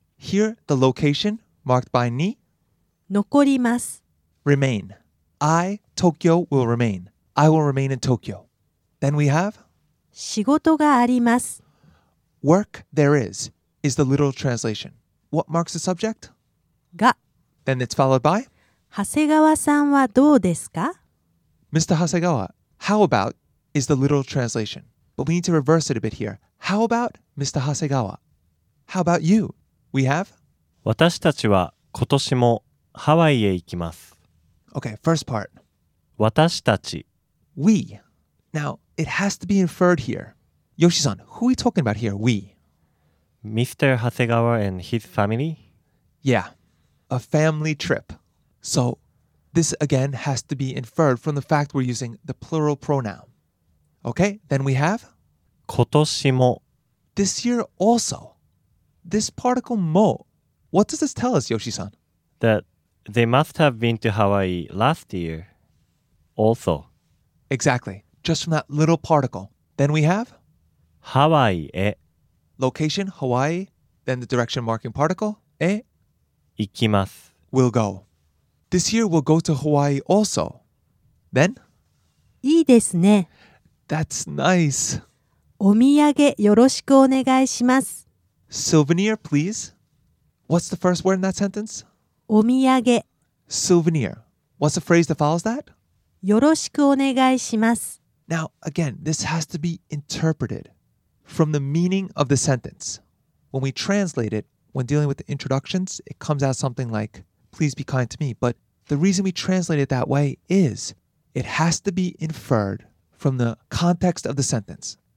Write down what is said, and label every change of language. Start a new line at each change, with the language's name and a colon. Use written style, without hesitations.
English: Here, the location, marked by に
Japanese: 残ります
English: Remain. I, Tokyo, will remain. I will remain in Tokyo. Then we have
Japanese: 仕事があります
English: Work there is the literal translation. What marks the subject?
Japanese: が
English: Then it's followed by?
Japanese: 長谷川さんはどうですか?
English: Mr. Hasegawa, How about is the literal translation. But we need to reverse it a bit here. How about Mr. Hasegawa? How about you? We have?
Japanese: 私たちは今年もハワイへ行きます。
English: Okay, first part.
Japanese: 私たち。
English: We. Now, it has to be inferred here. Yoshi-san, who are we talking about here, we? Mr. Hasegawa and his family? Yeah, a family trip. So, this again has to be inferred from the fact we're using the plural pronoun. Okay, then we have?
Japanese: 今年も。
English: This year also. This particle も. What does this tell us, Yoshi-san? That they must have been to Hawaii last year also. Exactly. Just from that little particle. Then we have?
Japanese: Hawaii へ.
English: Location, Hawaii. Then the direction marking particle, え.
Japanese: 行きます.
English: We'll go. This year we'll go to Hawaii also. Then?
Japanese: いいですね.
English: That's nice.
Japanese: お土産よろしくお願いします.
English: Souvenir, please. What's the first word in that sentence?
Japanese: お土産.
English: Souvenir. What's the phrase that follows that?
Japanese: よろしくお願いします.
English: Now, again, this has to be interpreted from the meaning of the sentence. When we translate it, when dealing with the introductions, it comes out something like, please be kind to me. But the reason we translate it that way is it has to be inferred from the context of the sentence.